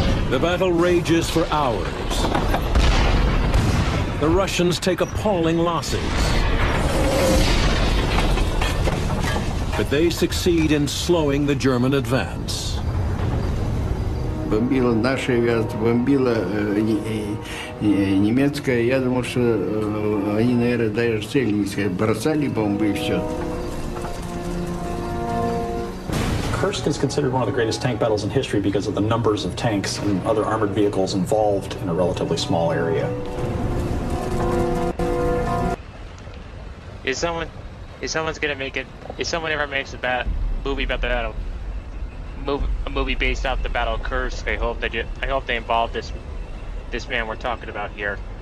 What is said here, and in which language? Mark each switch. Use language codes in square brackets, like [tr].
[en] The battle rages for hours. The Russians take appalling losses, but they succeed in slowing the German advance. [ru] Бомбила наша авиация, бомбила немецкая. Я думал, что они, наверное, даже цели не искали. Бросали бомбы и все. [en] Kursk is considered one of the greatest tank battles in history because of the numbers of tanks and other armored vehicles involved in a relatively small area. Is someone gonna make it? If someone ever makes a movie based off the Battle of Kursk, I hope they involve this man we're talking about here.